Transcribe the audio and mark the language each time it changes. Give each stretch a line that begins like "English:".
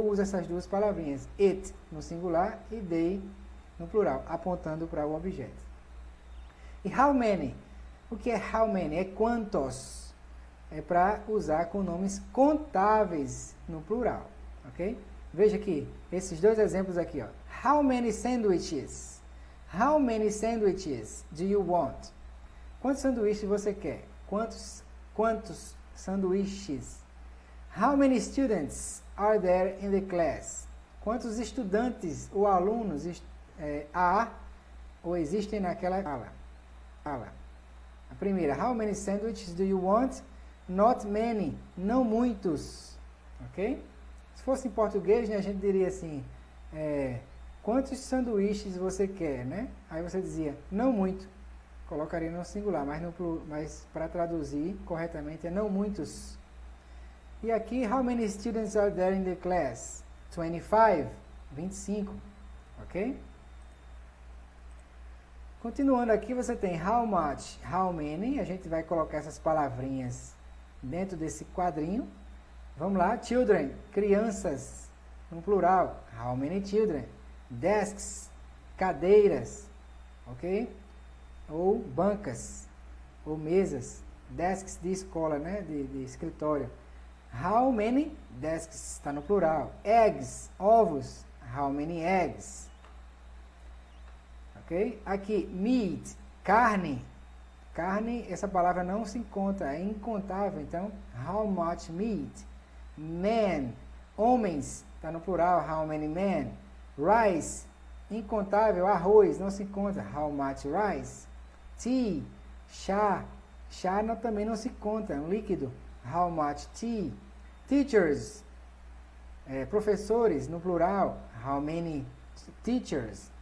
Portuguese: Ou usa essas duas palavrinhas, it no singular e they no plural, apontando para o objeto. E how many? O que é how many? É quantos. É para usar com nomes contáveis no plural, ok? Veja aqui, esses dois exemplos aqui, ó.
English: How many sandwiches? How many sandwiches do you want?
Portuguese: Quantos sanduíches você quer? Quantos sanduíches?
English: How many students are there in the class?
Portuguese: Quantos estudantes ou alunos há ou existem naquela sala? A primeira,
English: how many sandwiches do you want? Not many,
Portuguese: não muitos, ok? Se fosse em português, né, a gente diria assim, quantos sanduíches você quer, né? Aí você dizia, não muito, colocaria no singular, mas para traduzir corretamente é não muitos. E aqui,
English: how many students are there in the class?
Portuguese: 25, 25, ok? Continuando aqui, você tem how much, how many, a gente vai colocar essas palavrinhas dentro desse quadrinho. Vamos lá, children, crianças, no plural,
English: how many children,
Portuguese: desks, cadeiras, ok? Ou bancas, ou mesas, desks de escola, né, de escritório.
English: How many desks,
Portuguese: está no plural,
English: eggs,
Portuguese: ovos,
English: how many eggs, ok?
Portuguese: Aqui, meat, carne. Carne, essa palavra não se encontra, é incontável, então,
English: how much meat?
Portuguese: Men, homens, está no plural,
English: how many men?
Portuguese: Rice, incontável, arroz, não se encontra,
English: how much rice?
Portuguese: Tea, chá não, também não se encontra, um líquido,
English: how much tea? Teachers,
Portuguese: professores, no plural,
English: how many teachers?